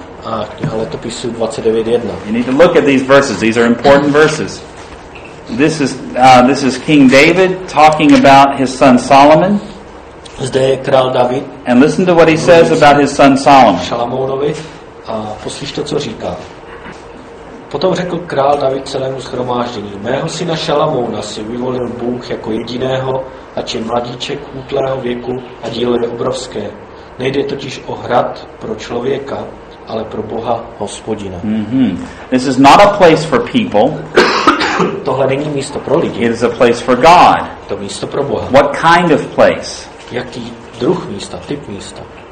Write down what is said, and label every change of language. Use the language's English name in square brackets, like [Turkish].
[Czech] A kniha Letopisů 29:1. [English] You need to look at these verses. These are important verses. This is King David talking about his son Solomon. [Czech] Zde je král David. [English] And listen to what he says about his son Solomon. [Czech] Šalamounovi. A poslyš to, co říká. Potom řekl král David celému shromáždění. Mého syna Šalamouna si vyvolil Bůh jako jediného, ač je mladíček útlého věku a dílo je obrovské. Nejde totiž o hrad pro člověka, ale pro Boha Hospodina. Mm-hmm. [English] This is not a place for people. [Czech] Tohle není místo pro lidi. [English] It is a place for God. [Czech] To místo pro Boha. [English] What kind of place? [Czech] Jaký druh místa, typ místa?